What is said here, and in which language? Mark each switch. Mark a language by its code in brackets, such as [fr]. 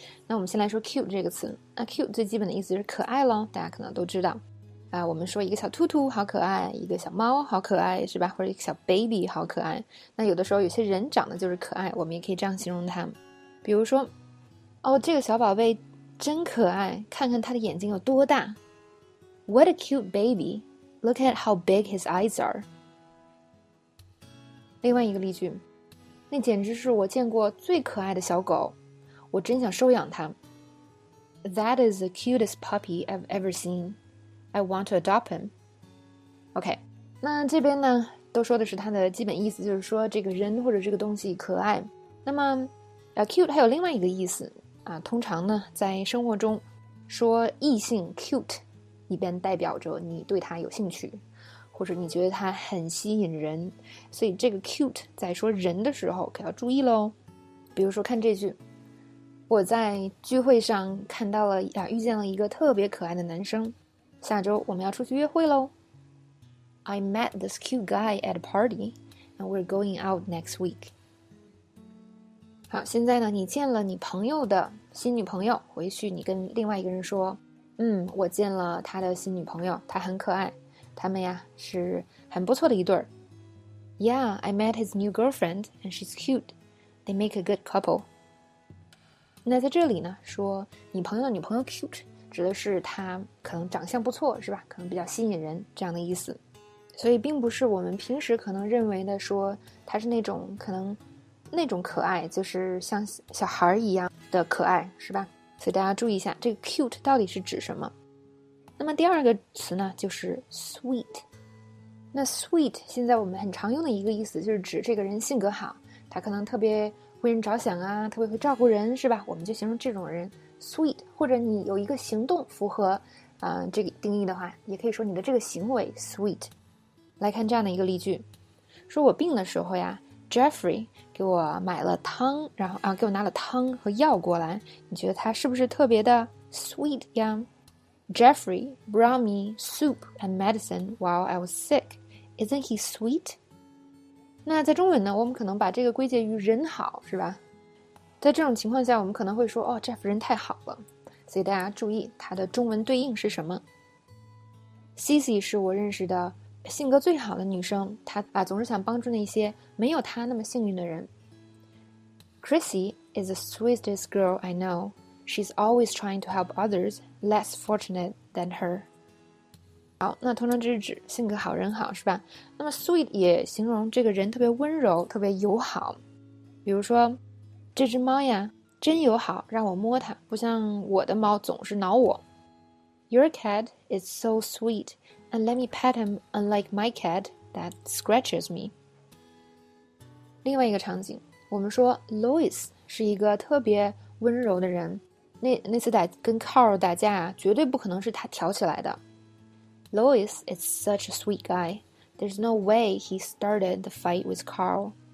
[zh] 那我们先来说 cute 这个词，那 cute 最基本的意思是可爱咯，大家可能都知道啊，我们说一个小兔兔好可爱，一个小猫好可爱，是吧，或者一个小 baby 好可爱。那有的时候有些人长得就是可爱，我们也可以这样形容他，比如说哦，这个小宝贝真可爱，看看他的眼睛有多大。 [en] What a cute babyLook at how big his eyes are. [zh] 另外一个例句，那简直是我见过最可爱的小狗，我真想收养它。 [en] That is the cutest puppy I've ever seen. I want to adopt him. [zh] OK, 那这边呢，都说的是它的基本意思，就是说这个人或者这个东西可爱。那么 cute 还有另外一个意思啊，通常呢，在生活中说异性 cute，一边代表着你对他有兴趣，或者你觉得他很吸引人，所以这个 cute 在说人的时候可要注意咯。比如说看这句，我在聚会上看到了，遇见了一个特别可爱的男生，下周我们要出去约会咯。 [en] I met this cute guy at a party and we're going out next week. [zh] 好，现在呢，你见了你朋友的新女朋友，回去你跟另外一个人说，我见了他的新女朋友，他很可爱，他们呀是很不错的一对儿。 [en] Yeah, I met his new girlfriend and she's cute. They make a good couple. [zh] 那在这里呢，说你朋友的女朋友 cute 指的是他可能长相不错，是吧，可能比较吸引人，这样的意思。所以并不是我们平时可能认为的说他是那种可能那种可爱，就是像小孩一样的可爱，是吧。所以大家注意一下，这个 cute 到底是指什么。那么第二个词呢，就是 sweet。那 sweet 现在我们很常用的一个意思，就是指这个人性格好，他可能特别为人着想啊，特别会照顾人，是吧，我们就形容这种人 sweet。或者你有一个行动符合这个定义的话，也可以说你的这个行为 sweet。来看这样的一个例句，说我病的时候呀，Jeffrey 给我买了汤，然后给我拿了汤和药过来，你觉得他是不是特别的 sweet 呀？ [en] Jeffrey brought me soup and medicine while I was sick. Isn't he sweet? [zh] 那在中文呢，我们可能把这个归结于人好，是吧。在这种情况下，我们可能会说哦， Jeff 人太好了。所以大家注意他的中文对应是什么。Cici 是我认识的性格最好的女生，她总是想帮助那些没有她那么幸运的人。 [en] Chrissy is the sweetest girl I know. She's always trying to help others less fortunate than her. [zh] 好，那通常这是指性格好人好，是吧。那么 sweet 也形容这个人特别温柔，特别友好。比如说这只猫呀真友好，让我摸它，不像我的猫总是挠我。 [en] Your cat is so sweetAnd let me pet him unlike my cat that scratches me. [zh] 另外一个场景，我们说 Lois 是一个特别温柔的人。那次跟 Carl 打架，绝对不可能是他挑起来的。 [en] Lois is such a sweet guy. There's no way he started the fight with Carl.